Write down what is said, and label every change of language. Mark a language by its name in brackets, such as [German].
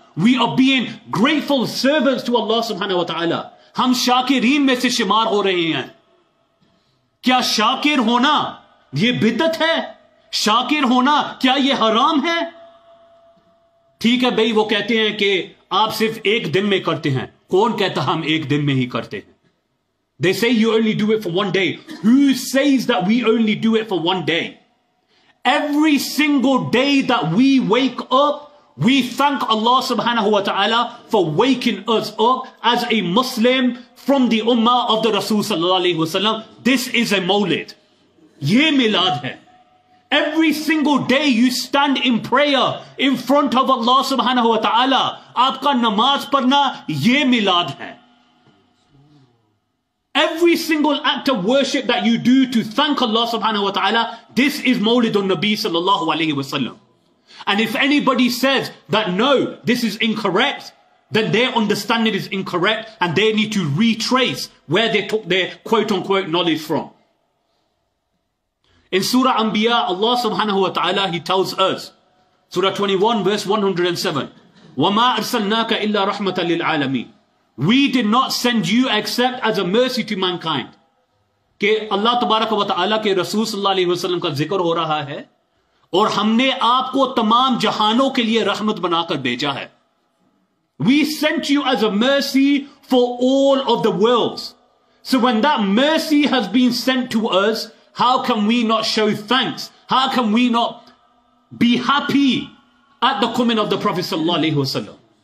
[English] We are being grateful servants to Allah subhanahu wa ta'ala. [Urdu] ہم شاکرین میں سے شمار ہو رہے ہیں۔ کیا شاکر ہونا یہ بدعت ہے؟ شاکر ہونا کیا یہ حرام ہے؟ ٹھیک ہے بھائی، وہ کہتے ہیں کہ آپ صرف ایک دن میں کرتے ہیں۔ کون کہتا ہم ایک دن میں ہی کرتے ہیں؟ [English] They say you only do it for one day. Who says that we only do it for one day? Every single day that we wake up, we thank Allah subhanahu wa ta'ala for waking us up as a Muslim from the ummah of the Rasul sallallahu alayhi wa sallam. This is a mawlid. [Urdu] یہ میلاد ہے۔ [English] Every single day you stand in prayer in front of Allah subhanahu wa ta'ala. [Urdu] آپکا نماز پڑھنا، یہ میلاد ہے۔ [English] Every single act of worship that you do to thank Allah subhanahu wa ta'ala, this is Mawlid al-Nabi sallallahu alayhi wa sallam. And if anybody says that no, this is incorrect, then their understanding is incorrect and they need to retrace where they took their quote-unquote knowledge from. In Surah Anbiya, Allah subhanahu wa ta'ala, he tells us, Surah 21 verse 107, [Arabic] وَمَا أَرْسَلْنَاكَ إِلَّا رَحْمَةً لِلْعَالَمِينَ. [English] We did not send you except as a mercy to mankind. [Urdu] کہ اللہ تبارک و تعالیٰ کے رسول صلی اللہ علیہ وسلم کا ذکر ہو رہا ہے۔ اور ہمنے آپکو تمام جہانوں کے لیے رحمت بنا کر بھیجا ہے۔ [English] We sent you as a mercy for all of the worlds. So when that mercy has been sent to us, how can we not show thanks? How can we not be happy at the coming of the Prophet sallallahu alayhi wa sallam?